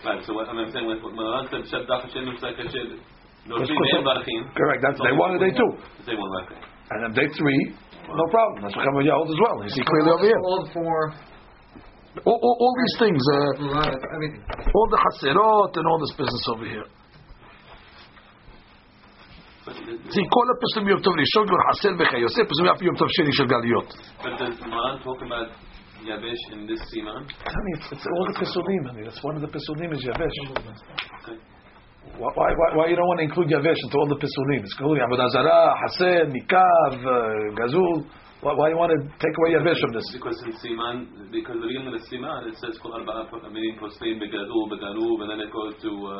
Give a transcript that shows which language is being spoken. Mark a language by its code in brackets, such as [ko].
[en] Right, so what I'm saying is Maran said Shaka Dahak Shem Nusaka Shem. Correct, that's day one or day two. Day one, right. And then day three, no problem. That's what Kamal Yahud as well. You see clearly over here. All four. All these things. Everything. All the Hasirot and all this business over here. [he] זה כל הפסול מיום טוב ראשון כבר חסר בחי יוסף, פסול מיום טוב שני של גליות. [en] But does the Maran talk about Yabesh in this Siman? I mean, it's all the Pesulim. I mean, that's one of the Pesulim is Yabesh. Why you don't want to include Yavesh into all the Pesulim? It's including Avodah Zarah, Hasen, Nikav, Gazul. Why do you want to take away Yavesh from this? Because in Siman, because the beginning of the Siman, it says Kol Arba'a Amirim Posteim Begadul, Begaluv, and then it goes to...